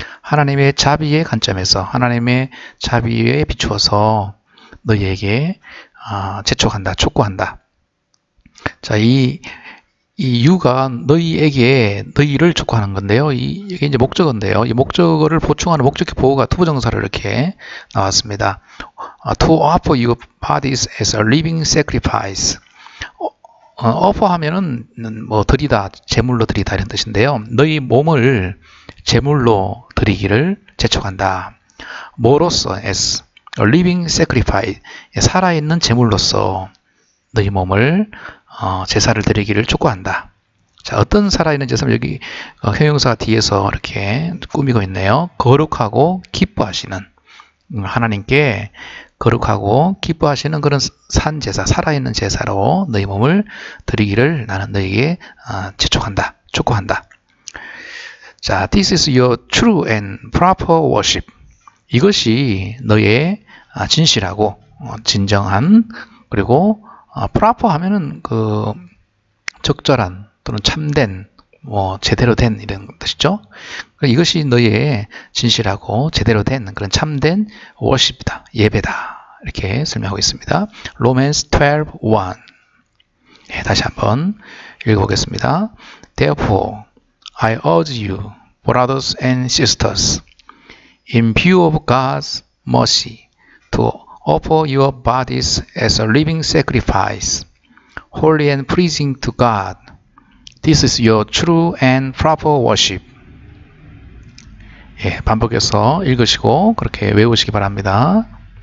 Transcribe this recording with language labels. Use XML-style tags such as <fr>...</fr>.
<ko>하나님의 자비의 관점에서 하나님의 자비에 비추어서 너희에게 재촉한다, 촉구한다. 자, 이 유가 너희에게 너희를 촉구하는 건데요. 이게 이제 목적어인데요. 이 목적어를 보충하는 목적격 보호가 투부정사를 이렇게 나왔습니다.</ko> <en>To offer your bodies as a living sacrifice.</en> <ko>offer 하면은 뭐 드리다, 제물로 드리다 이런 뜻인데요. 너희 몸을 제물로 드리기를 재촉한다. 뭐로써</ko> <en>as a living sacrifice,</en> <ko>살아있는 제물로서 너희 몸을 제사를 드리기를 촉구한다. 자, 어떤 살아있는 제사? 여기 형용사 뒤에서 이렇게 꾸미고 있네요. 거룩하고 기뻐하시는 하나님께 거룩하고 기뻐하시는 그런 산 제사, 살아있는 제사로 너희 몸을 드리기를 나는 너희에게 재촉한다, 촉구한다.</ko> <en>자, this is your true and proper worship.</en> <ko>이것이 너의 진실하고 진정한 그리고 proper 하면은 그 적절한 또는 참된 뭐 제대로 된 이런 뜻이죠. 이것이 너희의 진실하고 제대로 된 그런 참된 워십이다, 예배다 이렇게 설명하고 있습니다.</ko> <en>Romans 12:1.</en> <ko>네, 다시 한번 읽어보겠습니다.</ko> <en>Therefore, I urge you, brothers and sisters, in view of God's mercy, to offer your bodies as a living sacrifice, holy and pleasing to God. This is your true and proper worship.</en> <ko>예, 반복해서 읽으시고 그렇게 외우시기 바랍니다.</ko>